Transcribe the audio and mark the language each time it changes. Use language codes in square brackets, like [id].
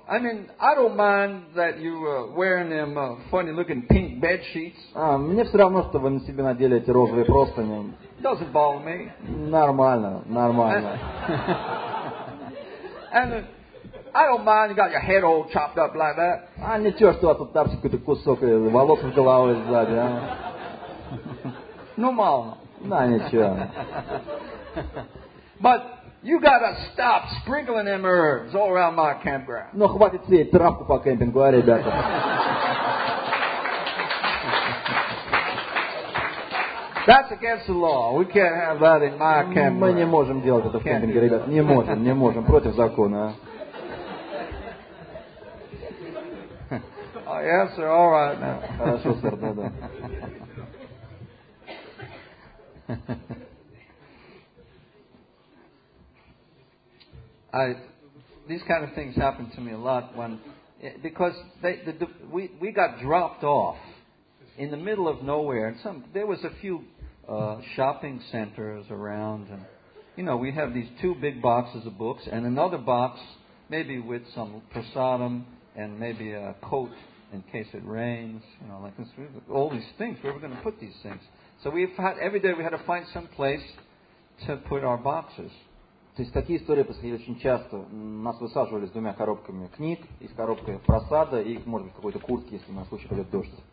[en] I mean, I don't mind that you were wearing them funny-looking pink bed sheets. [ru] А мне все равно, что вы на себе надели эти розовые простыни. [en] Doesn't bother me. [ru] Нормально, нормально. [en] And I don't mind you got your head all chopped up like that. [ru] А ничего, что у вас тут тарси какой-то кусок волос в голове сзади, а? Нормально. Да ничего. [en] But you gotta stop sprinkling them herbs all around my campground. [ru] Ну хватит сеять травку по кемпингу, а, ребята. [en] That's against the law. We can't have that in my campground. [ru] Мы не можем делать это в кемпинге, ребят. Не можем, не можем. Против закона, а. [en] Oh, yes, sir. All right now. [ru] Хорошо, сэр, да-да. [en] These kind of things happen to me a lot when, because we got dropped off in the middle of nowhere. And there was a few shopping centers around, and you know, we have these two big boxes of books and another box maybe with some prasadam and maybe a coat in case it rains. You know, like this, all these things. Where are we going to put these things? So every day we had to find some place to put our boxes. [ru] То есть такие истории происходили очень часто. Нас высаживали с двумя коробками книг, и с коробкой просада, и, может быть, какой-то куртки, если на случай пойдет дождь.